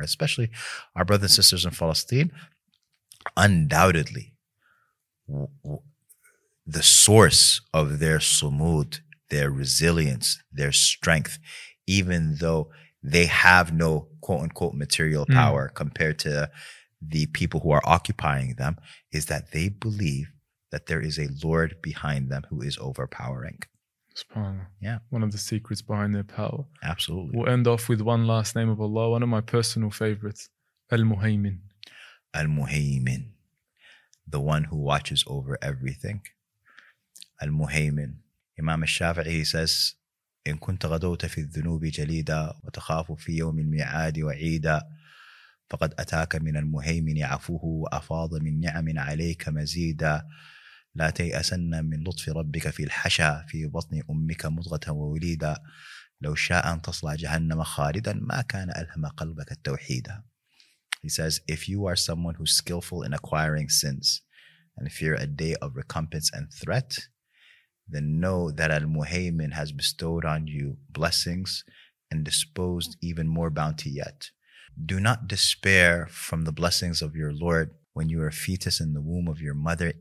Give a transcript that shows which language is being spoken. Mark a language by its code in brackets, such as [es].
[en] Especially our brothers and sisters in Palestine, undoubtedly, the source of their sumud, their resilience, their strength, even though they have no quote-unquote material power compared to the people who are occupying them, is that they believe that there is a Lord behind them who is overpowering. SubhanAllah. Yeah. One of the secrets behind their power. Absolutely. We'll end off with one last name of Allah, one of my personal favorites, Al-Muhaymin. Al-Muhaymin, the one who watches over everything. Al-Muhaymin. [ar] Imam al-Shafi'i says, إِن كُنْتَ غَدَوْتَ فِي الذُّنُوبِ جَلِيدًا وَتَخَافُ فِي يَوْمِ الْمِعَادِ وَعِيدًا فَقَدْ أَتَاكَ مِنَ الْمُهَيْمِنِ عَفُوهُ وَأَفَاضَ مِنْ نِعَمٍ عَلَيْكَ مَزِيدًا لا تيأسن من لطف ربك في الحشا في بطن أمك مضغة ووليدا لو شاء أن تصلى جهنم خالدا ما كان ألهم قلبك التوحيدا. [en] He says, if you are someone who's skillful in acquiring sins and fear a day of recompense and threat, then know that Al-Muhaymin has bestowed on you blessings and disposed even more bounty yet. Do not despair from the blessings of your Lord when you were a fetus in the womb of your mother.